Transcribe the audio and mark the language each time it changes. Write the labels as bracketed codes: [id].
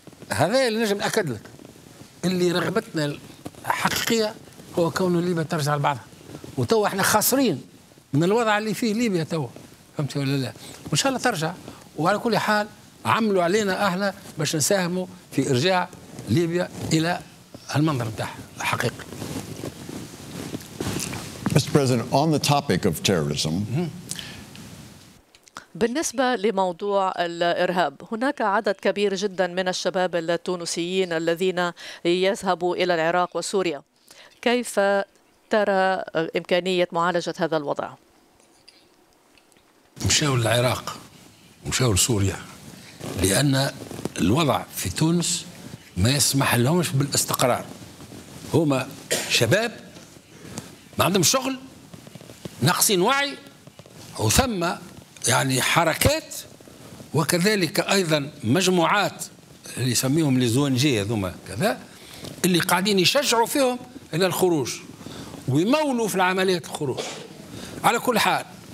[ar] هذا اللي نجم نأكد لك اللي رغبتنا الحقيقية هو كون ليبيا ترجع لبعضها وتوا احنا خاسرين من الوضع اللي فيه ليبيا توا فهمت ولا لا وإن شاء الله ترجع وعلى كل حال عملوا علينا احنا باش نساهموا في ارجاع ليبيا الى المنظر بتاعها الحقيقي. [en] Mr. President, on the topic of terrorism. [ar] بالنسبة لموضوع الإرهاب هناك عدد كبير جدا من الشباب التونسيين الذين يذهبوا إلى العراق وسوريا كيف ترى إمكانية معالجة هذا الوضع؟ مشاو للعراق مشاو لسوريا لأن الوضع في تونس ما يسمح لهمش بالاستقرار هما شباب ما عندهم شغل ناقصين وعي وثم يعني حركات وكذلك أيضا مجموعات اللي يسميهم لزونجية ذوما كذا اللي قاعدين يشجعوا فيهم إلى الخروج ويمولوا في العمليات الخروج على كل حال